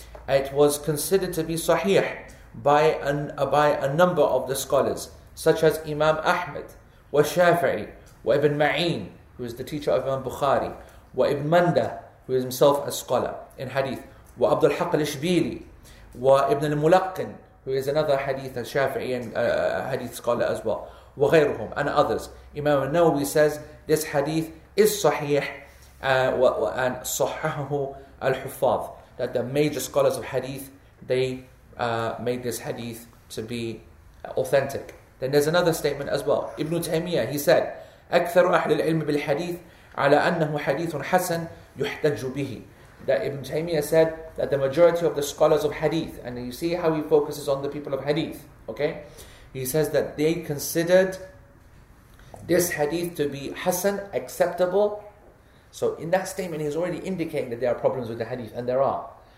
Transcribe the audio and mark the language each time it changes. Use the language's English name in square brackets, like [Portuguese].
[English] It was considered to be صحيح by a number of the scholars, such as Imam Ahmed, وشافعي, وابن معين, who is the teacher of Imam Bukhari, وابن مندة, who is himself a scholar in hadith, وعبد الحق الإشبيلي, وابن الملقن, who is another hadith, a Shafi'i and hadith scholar as well, وغيرهم, and others. Imam al-Nawawi says, this hadith is sahih, and [Arabic] صححه الحفاظ, [English] that the major scholars of hadith, they made this hadith to be authentic. Then there's another statement as well. Ibn Taymiyyah, he said, [Arabic] أكثر أحل العلم بالحديث على أنه حديث حسن يحتج به. [English] That Ibn Taymiyyah said that the majority of the scholars of hadith, and you see how he focuses on the people of hadith, okay? He says that they considered this hadith to be hasan, acceptable. So in that statement, he's already indicating that there are problems with the hadith, and there are.